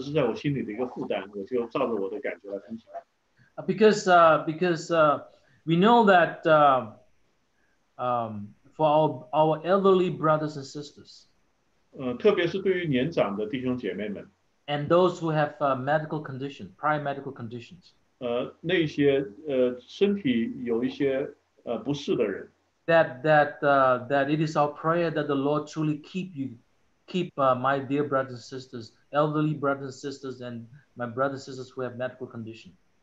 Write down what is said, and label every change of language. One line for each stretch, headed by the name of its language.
Chinese: 其实我并不太知道怎么分享这一点，但是呢，这是在我心里的一个负担，我就照着我的感觉来分享。
English: Because we know that for our elderly brothers and sisters,
Chinese: 特别是对于年长的弟兄姐妹们,
English: and those who have medical conditions, prior medical conditions,
Chinese: 那些身体有一些不适的人,
English: that it is our prayer that the Lord truly keep my dear brothers and sisters, elderly brothers and sisters, and my brothers and sisters who have medical conditions.